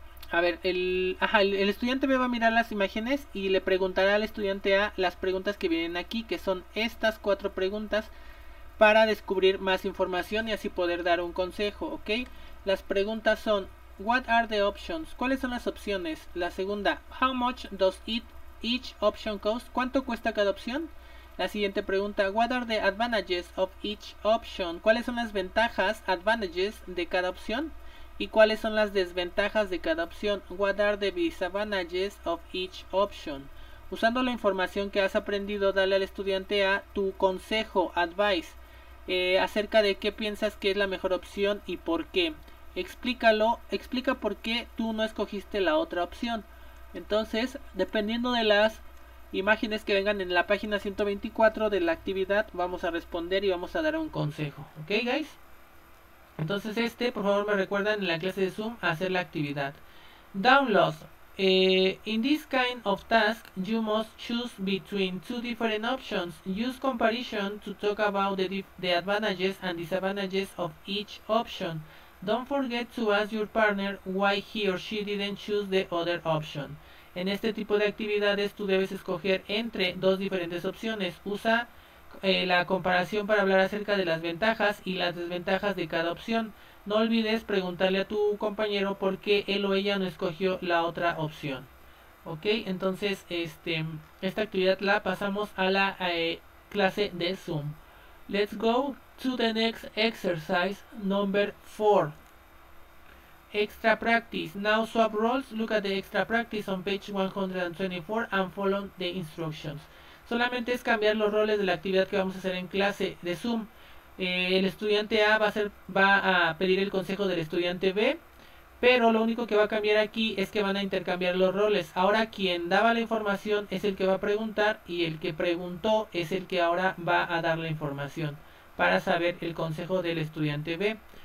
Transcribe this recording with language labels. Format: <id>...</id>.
<es>A ver, el estudiante B va a mirar las imágenes y le preguntará al estudiante A las preguntas que vienen aquí, que son estas cuatro preguntas, para descubrir más información y así poder dar un consejo, ¿ok? Las preguntas son,</es> <en>what are the options?</en> <es>¿Cuáles son las opciones? La segunda,</es> <en>how much does each option cost?</en> <es>¿Cuánto cuesta cada opción? La siguiente pregunta,</es> <en>what are the advantages of each option?</en> <es>¿Cuáles son las ventajas, advantages de cada opción? ¿Y cuáles son las desventajas de cada opción?</es> <en>What are the disadvantages of each option?</en> <es>Usando la información que has aprendido, dale al estudiante A tu consejo, advice, acerca de qué piensas que es la mejor opción y por qué. Explícalo, explica por qué tú no escogiste la otra opción. Entonces, dependiendo de las imágenes que vengan en la página 124 de la actividad, vamos a responder y vamos a dar un consejo. ¿Ok, guys? Entonces, por favor, me recuerdan en la clase de Zoom hacer la actividad.</es> <en>Downloads. In this kind of task, you must choose between two different options. Use comparison to talk about the advantages and disadvantages of each option. Don't forget to ask your partner why he or she didn't choose the other option.</en> <es>En este tipo de actividades, tú debes escoger entre dos diferentes opciones. Usa la comparación para hablar acerca de las ventajas y las desventajas de cada opción. No olvides preguntarle a tu compañero por qué él o ella no escogió la otra opción. ¿Ok? Entonces, esta actividad la pasamos a la clase de Zoom.</es> <en>Let's go to the next exercise, number 4. Extra practice. Now swap roles. Look at the extra practice on page 124 and follow the instructions.</en> <es>Solamente es cambiar los roles de la actividad que vamos a hacer en clase de Zoom. El estudiante A va a pedir el consejo del estudiante B, pero lo único que va a cambiar aquí es que van a intercambiar los roles. Ahora quien daba la información es el que va a preguntar y el que preguntó es el que ahora va a dar la información para saber el consejo del estudiante B.</es>